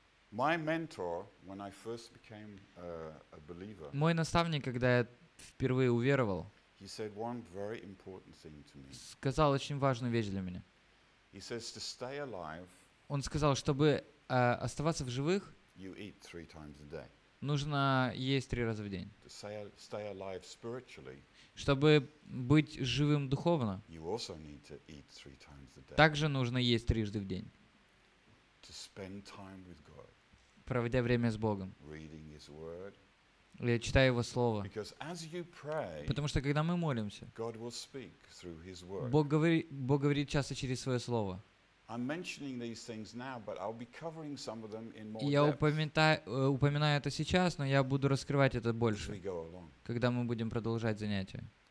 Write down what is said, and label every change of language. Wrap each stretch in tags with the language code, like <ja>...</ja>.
<en>My mentor, when I first became a believer.</en> <ru>Мой наставник, когда я впервые уверовал.</ru> <en>He said one very important thing to me.</en> <ru>Сказал очень важную вещь для меня.</ru> <en>He says to stay alive.</en> <ru>Он сказал, чтобы оставаться в живых,</ru> <en>you eat three times a day.</en> <ru>Нужно есть три раза в день.</ru> <en>To stay alive spiritually.</en> <ru>Чтобы быть живым духовно,</ru> <en>you also need to eat three times a day.</en> <ru>Также нужно есть трижды в день.</ru> <en>To spend time with God.</en> <ru>Проводя время с Богом.</ru> <en>Reading His word.</en> <ru>Я читаю Его Слово.</ru> <en>Because as you pray,</en> <ru>потому что, когда мы молимся,</ru> <en>God will speak through His word.</en> <ru>Бог говорит часто через Своё Слово.</ru> <en>I'm mentioning these things now, but I'll be covering some of them in more depth.</en> <ru>Я упоминаю это сейчас, но я буду раскрывать это больше, когда мы будем продолжать занятия.</ru>